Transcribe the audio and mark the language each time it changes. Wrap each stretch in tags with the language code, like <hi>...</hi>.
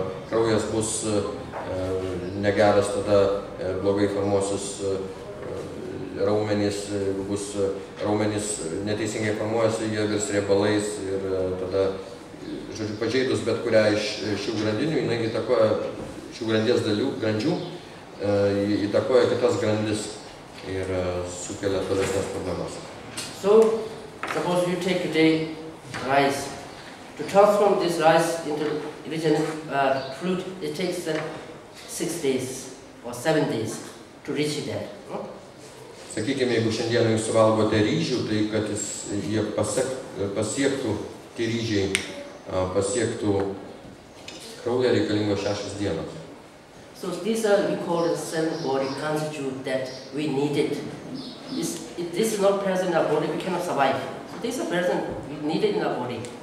<lt>Kraujas bus negeras, tada blogai formuosis raumenys, bus raumenys neteisingai formuojasi, jie virs riebalais ir tada, žodžiu, pažeidus bet kurią iš šių grandinių, jinai įtakoja šių grandies dalių, grandžių, įtakoja kitas grandis ir sukelia tolesnės problemas.</lt> <en>So, suppose you take a day rice. To transform this rice into regenerative fruit, it takes 6 days or 7 days to reach there.</en> <lt>Sakykime, jeigu šiandien jūs suvalgote ryžių, tai kad jis, jie pasiektų, tie ryžiai pasiektų kraują reikalingo 6 dienas.</lt> <en>So these are we call the 7 body constitute that we needed. If this is not present in our body, we cannot survive. So these are present, we need it in our body.</en>